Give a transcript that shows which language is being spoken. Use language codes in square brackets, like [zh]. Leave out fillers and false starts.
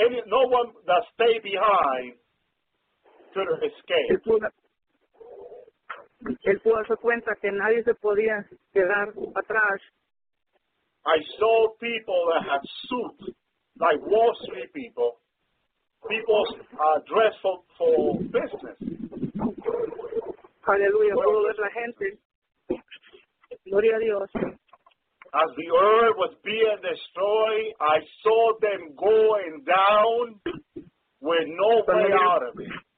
[en] No one that stayed behind could escape. [es] Él pudo darse cuenta que nadie se podía quedar atrás. [en] I saw people that had suits, like Wall Street people. People are dressed for business. [es] Aleluya, pudo ver la gente. Gloria a Dios. [en] As the earth was being destroyed, I saw them going down with no way out of it.